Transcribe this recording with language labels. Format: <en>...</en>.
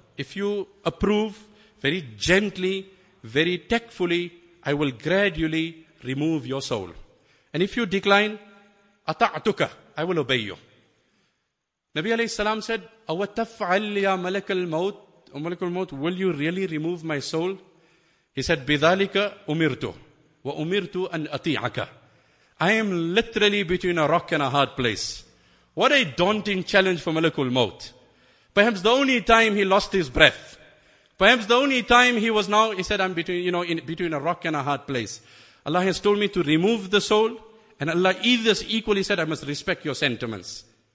<en>If you approve, very gently, very tactfully, I will gradually remove your soul. And if you decline,</en> <ar>أَطَعْتُكَ,</ar> <en>I will obey you. Nabi alayhi salam said,</en> <ar>أَوَتَفْعَلْ يَا مَلَكَ الْمَوْتِ.</ar> <en>O Malakul Maut, will you really remove my soul? He said,</en> <ar>بِذَلِكَ أُمِرْتُ وَأُمِرْتُ أَنْ أَطِيعَكَ.</ar> <en>I am literally between a rock and a hard place. What a daunting challenge for Malakul Maut. Perhaps the only time he lost his breath. Perhaps the only time he was now, he said, I'm between a rock and a hard place. Allah has told me to remove the soul, and Allah either equally said, I must respect your sentiments.</en>